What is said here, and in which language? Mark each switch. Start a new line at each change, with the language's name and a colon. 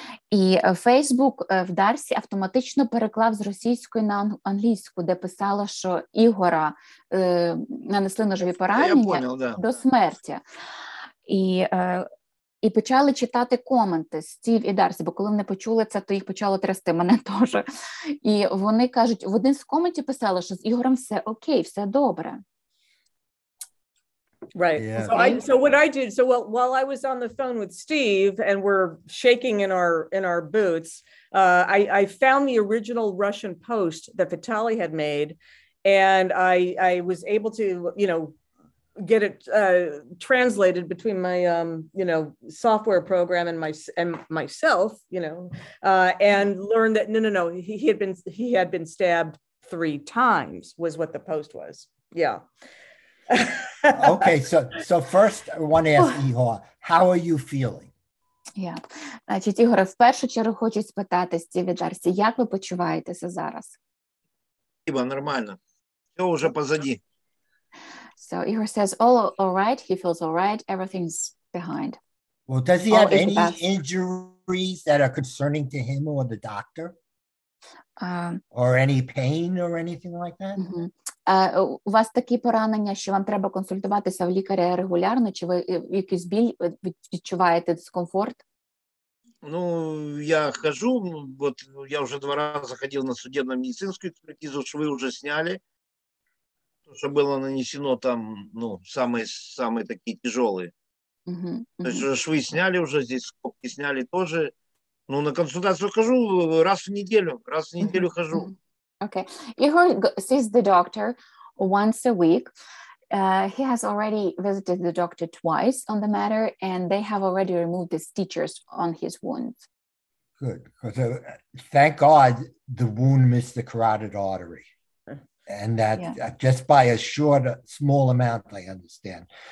Ukrainian: І Фейсбук в Дарсі автоматично переклав з російської на англійську, де писала, що Ігора нанесли ножові поранення до смерті. І почали читати коменти Стів і Дарсі, бо коли вони почули це, то їх почало трясти, мене теж. І вони кажуть, в один з коментів писали, що з Ігорем все окей, все добре.
English: Right. Yeah. So what I did, so while I was on the phone with Steve and we're shaking in our boots, I found the original Russian post that Vitaly had made, and I was able to, you know, get it translated between my software program and myself, you know, and learn that no, he had been stabbed 3 times was what the post was. Yeah. Okay, so first I want to ask Ihor, how are you feeling? Yeah.
Ukrainian: Значить, Ігоре, в першу чергу хочу спитати Стіві Дарсі, як ви почуваєтеся зараз? Ібо нормально. Все вже позаді.
English: So Ігор says all right, he feels all right, everything's behind. Well, does he have any injuries that are concerning to him or the doctor? Or any pain or anything like that? Mm-hmm.
Ukrainian: У вас такі поранення, що вам треба консультуватися в лікаря регулярно? Чи ви якийсь біль відчуваєте, дискомфорт? Ну, я хожу, от я вже 2 рази ходив на судебну медицинську експертизу, що ви вже зняли, що було нанесено там, ну, самі такі тяжелі. Угу, угу. Тобто шви зняли вже,
Russian: здесь скобки
Ukrainian: зняли теж. Ну, на консультацію хожу раз в неділю хожу. Угу.
English: Okay, Ihor sees the doctor once a week. He has already visited the doctor twice on the matter, and they have already removed the stitches on his wounds. Good, because thank God the wound missed the carotid artery, and that just by a short, small amount, I understand.